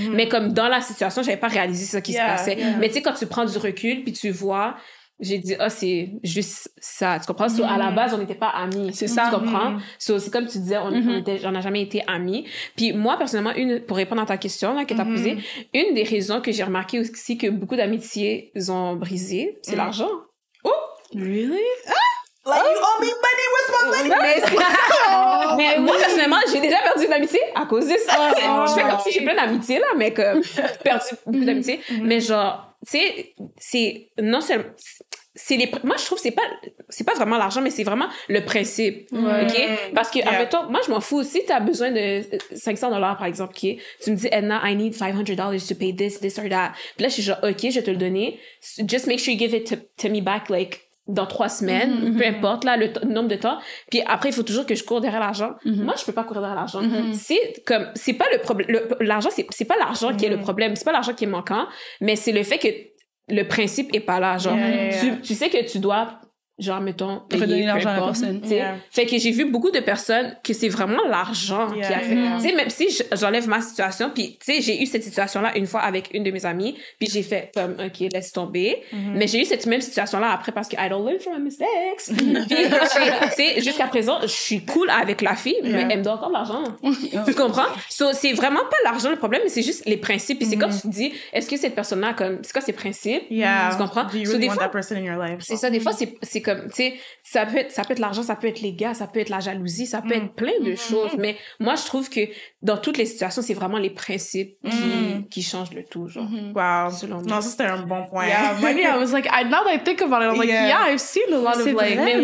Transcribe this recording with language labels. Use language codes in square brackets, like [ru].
[fr] Mais comme dans la situation, j'avais pas réalisé ce qui se passait. Yeah. Mais tu sais, quand tu prends du recul, puis tu vois, j'ai dit, oh, c'est juste ça. Tu comprends? So, à la base, on n'était pas amis. C'est ça. Tu comprends? So, c'est comme tu disais, on a jamais été amis. Puis moi, personnellement, pour répondre à ta question là, que tu as posée, une des raisons que j'ai remarqué aussi que beaucoup d'amitiés ont brisé, c'est l'argent. Oh! [en] Really? Like, you owe me money, what's my money? [fr] Mais, mais moi, personnellement, j'ai déjà perdu une amitié à cause de ça. Je fais comme si j'ai plein d'amitié, là, mais comme, perdu beaucoup d'amitié. Mais genre, tu sais, c'est non seulement... moi, je trouve que c'est pas vraiment l'argent, mais c'est vraiment le principe, OK? Parce que, admettons, moi, je m'en fous. Si t'as besoin de 500 $, par exemple, OK? Tu me dis, [en] Edna, I need $500 to pay this or that. [fr] Puis là, je suis genre, OK, je vais te le donner. [en] Just make sure you give it to me back, like... [fr] dans 3 semaines, peu importe là le nombre de temps. Puis après, il faut toujours que je cours derrière l'argent. Moi, je peux pas courir derrière l'argent. C'est pas le problème. L'argent, c'est pas l'argent qui est le problème. C'est pas l'argent qui est manquant, mais c'est le fait que le principe est pas là. Genre, tu sais que tu dois, genre, mettons, redonner l'argent à la personne. Tu sais, fait que j'ai vu beaucoup de personnes que c'est vraiment l'argent qui a fait. Tu sais, même si j'enlève ma situation, puis tu sais, j'ai eu cette situation là une fois avec une de mes amies, puis j'ai fait comme OK, laisse tomber. Mais j'ai eu cette même situation là après parce que [en] I don't learn from my mistakes. [fr] Puis tu sais, jusqu'à présent, je suis cool avec la fille, mais elle me doit encore de l'argent. Tu comprends? So, c'est vraiment pas l'argent le problème, mais c'est juste les principes. Puis c'est quand tu dis, est-ce que cette personne là comme c'est quoi ses principes? Tu comprends? So, des fois, c'est ça, des fois c'est comme, tu sais, ça peut être l'argent, ça peut être les gars, ça peut être la jalousie, ça peut être plein de choses. Mais moi, je trouve que dans toutes les situations, c'est vraiment les principes qui changent le tout, genre. Wow. Non, ça, c'était un bon point. [en] Yeah, money, I was like, now that I think about it, I'm like, yeah, I've seen a lot of, like,